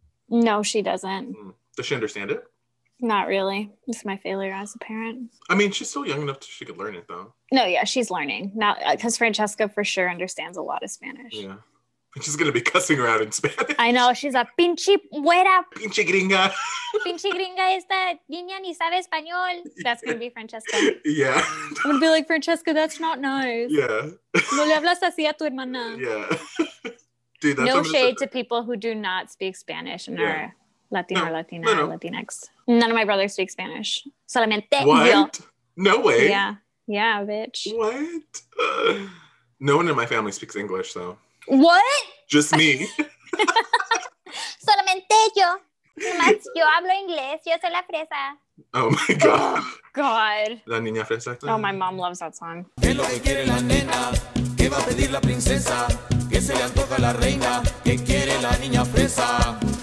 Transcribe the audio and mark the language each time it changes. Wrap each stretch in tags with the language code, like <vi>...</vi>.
<en>No, she doesn't. Does she understand it? Not really. It's my failure as a parent. I mean, she's still young enough to, she could learn it, though. No, yeah, she's learning. Now, because Francesca for sure understands a lot of Spanish. Yeah. She's going to be cussing her out in Spanish. I know. She's a</en> <es>pinche güera. Pinche gringa. Pinche gringa esta niña ni sabe español.</es> <en>That's going to be Francesca. Yeah. I'm going to be like, Francesca, that's not nice. Yeah.</en> <es>No le hablas así a tu hermana.</es> <en>Yeah. Dude, no shade to people who do not speak Spanish and are Latino or Latina or Latinx. None of my brothers speak Spanish.</en> <es>Solamente.</es> <en>What? Yo. No way. Yeah. Yeah, bitch. What? No one in my family speaks English, though. What? Just me.</en> <es>Solamente yo. Yo hablo inglés. Yo soy la fresa.</es> <en>Oh my God. Oh, God.</en> <es>La niña fresa.</es> <en>Oh, my mom loves that song.</en> <es>¿Qué es lo que quiere la nena? ¿Qué va a pedir la princesa? ¿Qué se le antoja a la reina? ¿Qué quiere la niña fresa?</es>